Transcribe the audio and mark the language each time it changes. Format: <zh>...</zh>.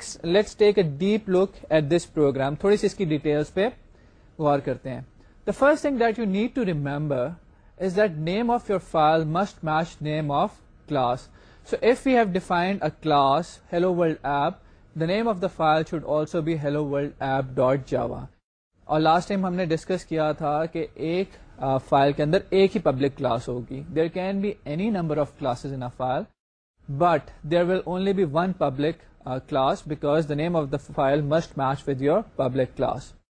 <en>Let's take a deep look at this program.</en> <ur>تھوڑی سی اس کی details پہ غور کرتے ہیں.</ur> <en>The first thing that you need to remember is that name of your file must match name of class. So if we have defined a class hello world app, the name of the file should also be hello world app dot java.</en> <ur>اور last time ہم نے discuss کیا تھا کہ ایک file کے اندر ایک ہی public class ہوگی.</ur> <en>There can be any number of classes in a file but there will only be one public class because the name of the file must match with your public class.</en>